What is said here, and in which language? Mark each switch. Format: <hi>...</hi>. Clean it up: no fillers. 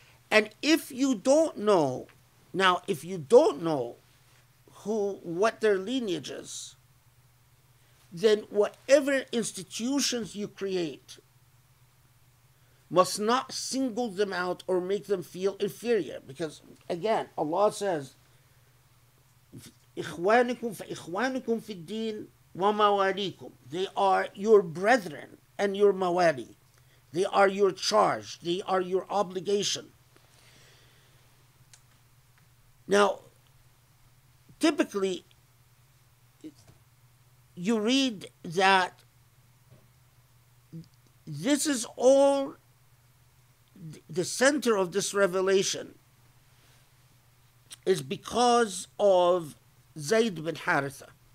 <en>And if you don't know, now if you don't know what their lineage is, then whatever institutions you create must not single them out or make them feel inferior.</en> <ar>Because again, Allah says, إِخْوَانِكُمْ فَإِخْوَانِكُمْ فِي الدِّينِ وَمَوَالِيكُمْ.</ar> <en>They are your brethren and your mawali. They are your charge. They are your obligation. Now, typically, you read that this is all the center of this revelation is because of Zayd bin Haritha.</en>